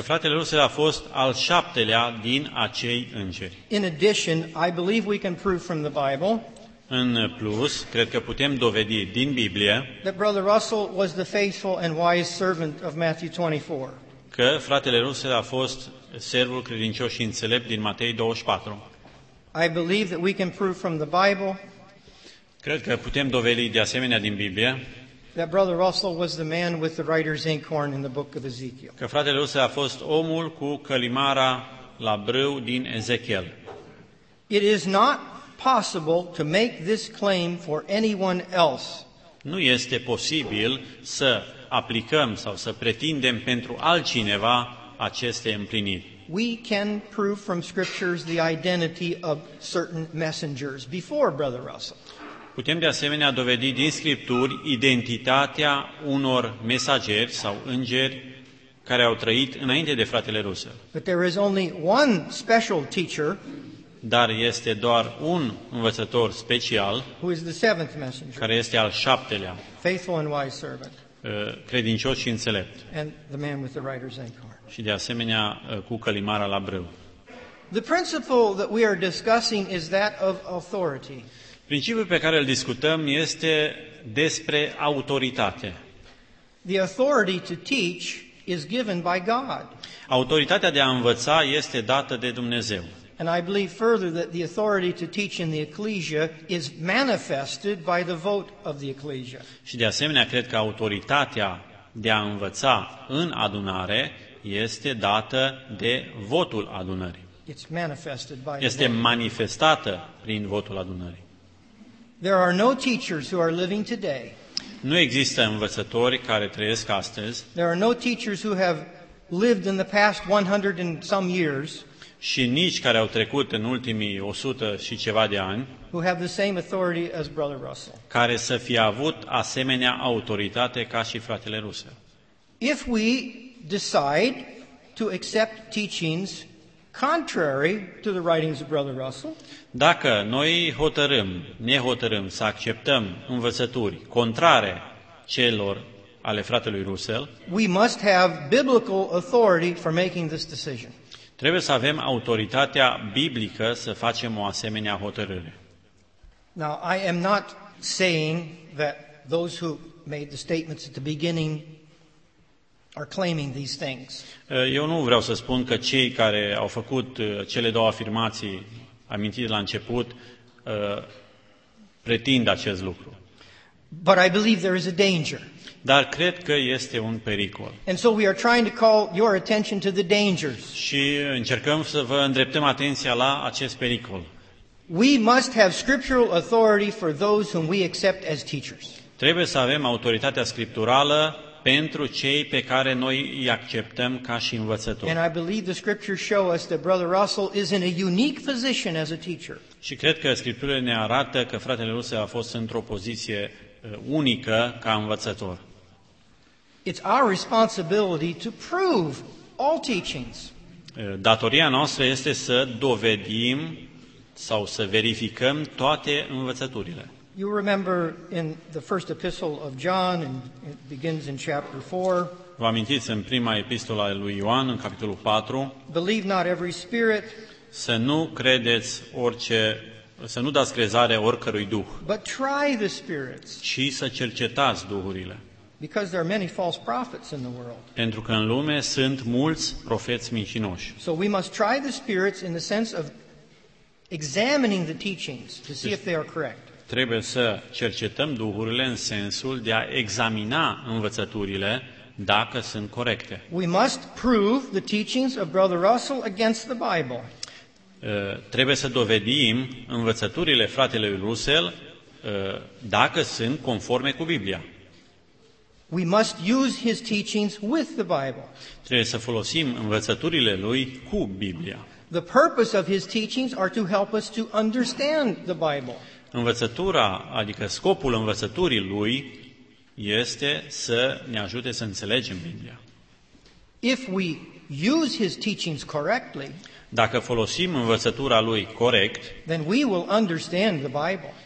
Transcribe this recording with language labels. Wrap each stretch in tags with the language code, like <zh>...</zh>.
<ro>Că fratele Russell a fost al șaptelea din acei îngeri.</ro> <en>In addition, I believe we can prove from the Bible.</en> <ro>În plus, cred că putem dovedi din Biblie</ro> <en>that Brother Russell was the faithful and wise servant of Matthew 24.</en> <ro>Că fratele Russell a fost servul credincios și înțelept din Matei 24.</ro> <en>I believe that we can prove from the Bible.</en> <ro>Cred că putem dovedi de asemenea din Biblie</ro> <en>that Brother Russell was the man with the writer's inkhorn in the book of Ezekiel.</en> <ro>Că fratele Russell a fost omul cu călimara la brâu din Ezechiel.</ro> <en>It is not possible to make this claim for anyone else.</en> <ro>Nu este posibil să aplicăm sau să pretindem pentru altcineva aceste împliniri.</ro> <en>We can prove from scriptures the identity of certain messengers before Brother Russell.</en> <ro>Putem de asemenea dovedi din Scripturi identitatea unor mesageri sau îngeri care au trăit înainte de fratele Russell.</ro> <en>But there is only one special teacher.</en> <ro>Dar este doar un învățător special,</ro> <en>who is the seventh messenger,</en> <ro>care este al șaptelea,</ro> <en>faithful and wise servant,</en> <ro>credincios și înțelept,</ro> <en>and the man with the writer's ink horn.</en> <ro>Și de asemenea cu călimara la brâu.</ro> <en>The principle that we are discussing is that of authority.</en> <ro>Principiul pe care îl discutăm este despre autoritate.</ro> <en>The authority to teach is given by God.</en> <ro>Autoritatea de a învăța este dată de Dumnezeu.</ro> <en>And I believe further that the authority to teach in the ecclesia is manifested by the vote of the ecclesia.</en> <ro>Și de asemenea cred că autoritatea de a învăța în adunare este dată de votul adunării.</ro> <en>It's manifested by</en> <ro>este manifestată prin votul adunării.</ro> <en>There are no teachers who are living today.</en> <ro>Nu există învățători care trăiesc astăzi.</ro> <en>There are no teachers who have lived in the past 100 and some years.</en> <ro>Și nici care au trecut în ultimii 100 și ceva de ani,</ro> <en>who have the same authority as Brother Russell,</en> <ro>care să fie avut asemenea autoritate ca și fratele Russell.</ro> <en>If we decide to accept teachings contrary to the writings of Brother Russell,</en> <ro>dacă noi ne hotărâm să acceptăm învățături contrare celor ale fratelui Russell,</ro> <en>we must have biblical authority for making this decision.</en> <ro>Trebuie să avem autoritatea biblică să facem o asemenea hotărâre.</ro> <en>Now, I am not saying that those who made the statements at the beginning are claiming these things.</en> <ro>Eu nu vreau să spun că cei care au făcut cele două afirmații amintite la început pretind acest lucru.</ro> <en>But I believe there is a danger.</en> <ro>Dar cred că este un pericol.</ro> <en>And so we are trying to call your attention to the dangers.</en> <ro>Și încercăm să vă îndreptăm atenția la acest pericol.</ro> <en>We must have scriptural authority for those whom we accept as teachers.</en> <ro>Trebuie să avem autoritatea scripturală pentru cei pe care noi îi acceptăm ca și învățători.</ro> <en>And I believe the scriptures show us that Brother Russell is in a unique position as a teacher.</en> <ro>Și cred că scripturile ne arată că fratele Russell a fost într-o poziție unică ca învățător.</ro> <en>It's our responsibility to prove all teachings.</en> <ro>Datoria noastră este să dovedim sau să verificăm toate învățăturile.</ro> <en>You remember in the first epistle of John, and it begins in chapter 4.</en> <ro>Vă amintiți în prima epistolă a lui Ioan, în capitolul 4?</ro> <en>Believe not every spirit.</en> <ro>Să nu credeți orice. Să nu dați crezare oricărui duh,</ro> <en>but try the spirits,</en> <ro>ci să cercetați duhurile.</ro> <en>Because there are many false prophets in the world.</en> <ro>Pentru că în lume sunt mulți profeți mincinoși.</ro> <en>So we must try the spirits in the sense of examining the teachings to see if they are correct.</en> <ro>Trebuie să cercetăm duhurile în sensul de a examina învățăturile dacă sunt corecte.</ro> <en>We must prove the teachings of Brother Russell against the Bible.</en> <ro>Trebuie să dovedim învățăturile fratelui Russell dacă sunt conforme cu Biblia.</ro> <en>We must use his teachings with the Bible.</en> <ro>Trebuie să folosim învățăturile lui cu Biblia.</ro> <en>The purpose of his teachings are to help us to understand the Bible.</en> <ro>Învățătura, adică scopul învățăturii lui este să ne ajute să înțelegem Biblia.</ro> <en>If we use his teachings correctly,</en> <ro>dacă folosim învățătura lui corect,</ro> <en>then we will understand the Bible.</en>